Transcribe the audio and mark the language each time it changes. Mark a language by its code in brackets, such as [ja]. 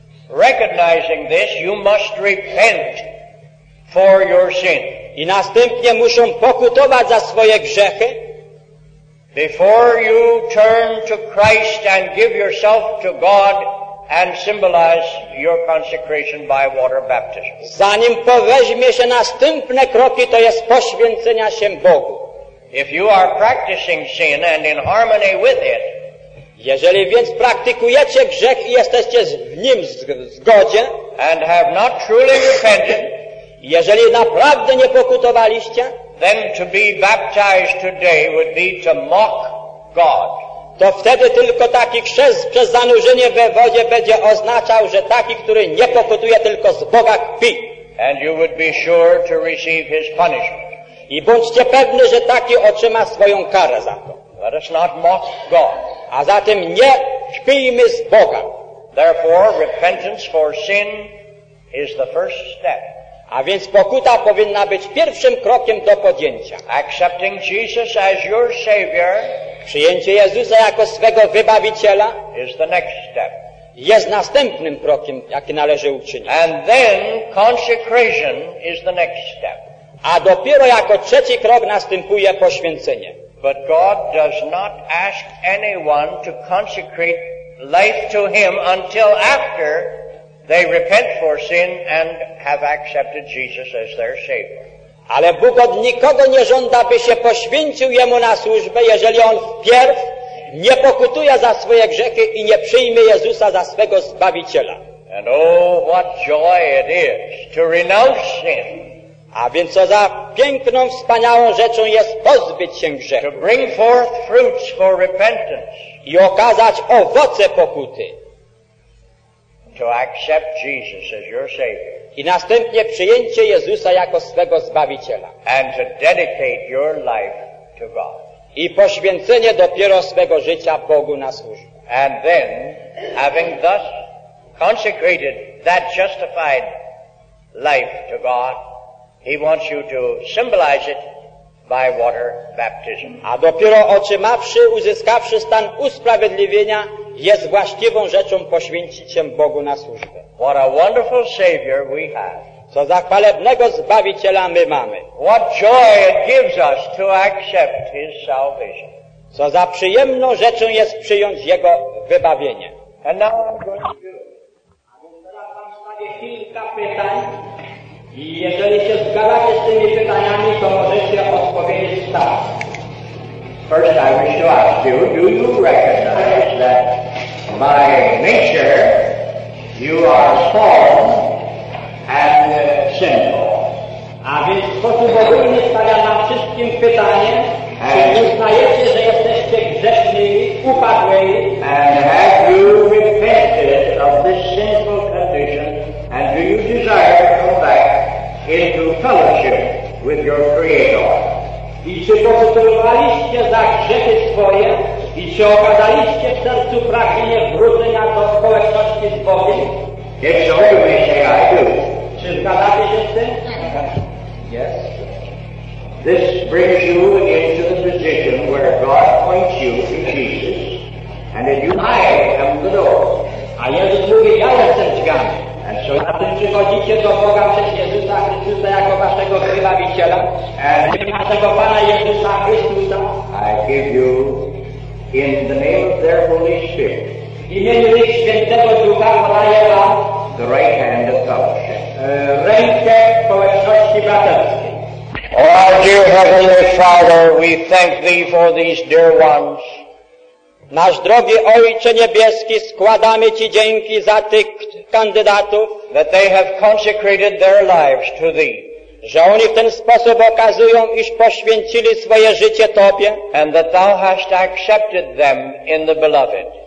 [en] Recognizing this, you must repent for your sin. [pl] I następnie muszą pokutować za swoje grzechy. [en] Before you turn to Christ and give yourself to God and symbolize your consecration by water baptism. [pl] Zanim poweźmie się następne kroki, to jest poświęcenia się Bogu. [en] If you are practicing sin and in harmony with it, [pl] jeżeli więc praktykujecie grzech i jesteście w nim w zgodzie, [en] and have not truly repented, [pl] jeżeli naprawdę nie pokutowaliście, [en] then to be baptized today would be to mock God. [pl] To wtedy tylko taki chrzest przez zanurzenie we wodzie będzie oznaczał, że taki, który nie pokutuje, tylko z Boga kpi. [en] And you would be sure to receive his punishment. [pl] I bądźcie pewni, że taki otrzyma swoją karę za to. [en] Let us not mock God. [pl] A zatem nie kpijmy z Boga. [en] Therefore, repentance for sin is the first step. [pl] A więc pokuta powinna być pierwszym krokiem do podjęcia. [en] Accepting Jesus as your Savior, [pl] przyjęcie Jezusa jako swego Wybawiciela, [en] is the next step. [pl] Jest następnym krokiem, jaki należy uczynić. [en] And then consecration is the next step. [pl] A dopiero jako trzeci krok następuje poświęcenie. [en] But God does not ask anyone to consecrate life to Him until after they repent for sin and have accepted Jesus as their Savior. [pl] Ale Bóg od nikogo nie żąda, by się poświęcił Jemu na służbę, jeżeli on wpierw nie pokutuje za swoje grzechy i nie przyjmie Jezusa za swego Zbawiciela. [en] And oh, what joy it is to renounce sin. [pl] A więc co za piękną, wspaniałą rzeczą jest pozbyć się grzechu. [en] To bring forth fruits for repentance. [pl] I okazać owoce pokuty. [en] To accept Jesus as your Savior. [pl] I następnie przyjęcie Jezusa jako swego Zbawiciela. [en] And to dedicate your life to God. [pl] I poświęcenie dopiero swego życia Bogu na służbę. [en] And then, having thus consecrated that justified life to God, He wants you to symbolize it by water baptism. [pl] A dopiero otrzymawszy, uzyskawszy stan usprawiedliwienia, jest właściwą rzeczą poświęcić się Bogu na służbę. [en] What a wonderful Savior we have. [pl] Co za chwalebnego Zbawiciela my mamy. [en] What joy it gives us to accept His salvation. [pl] Co za przyjemną rzeczą jest przyjąć Jego wybawienie. [en] And now I'm going to do. [pl] Teraz mam sobie kilka pytań. I jeżeli się zgadzacie z tymi pytaniami, to możecie odpowiedzieć tak. [en] First, I wish to ask you, do you recognize that by nature you are fallen and sinful? [pl] A więc w sposób ogólny stawiam nam wszystkim pytanie, czy uznajecie, że jesteście grzeszni, upadłymi? [en] And have you repented of this sinful condition, and do you desire to come back into fellowship with your Creator? [pl] I czy pokutowaliście za grzechy swoje i czy okazaliście w sercu pragnienie wrócenia do społeczności z Bogiem? [en] If so, you may say I do. [pl] Czy zgadzacie się z tym? [en] Yes. This brings you into the position where God points you to Jesus and then you, I am the door. [pl] A Jezus mówi, ja jestem drzwiami. [en] And so, [pl] a tym przychodzicie do Boga przez Jezusa Chrystusa jako waszego Wybawiciela, naszego Pana Jezusa Chrystusa. [en] I give you, in the name of their Holy Spirit, [pl] w imieniu ich świętego Ducha, podaję wam [en] the right hand of fellowship. [pl] Rękę społeczności braterskiej. [en] Oh, our dear Heavenly Father, we thank Thee for these dear ones. [pl] Nasz drogi Ojcze Niebieski, składamy Ci dzięki za tych kandydatów, [en] that they have consecrated their lives to Thee, [pl] że oni w ten sposób okazują, iż poświęcili swoje życie Tobie, [en] and that Thou hast accepted them in the Beloved,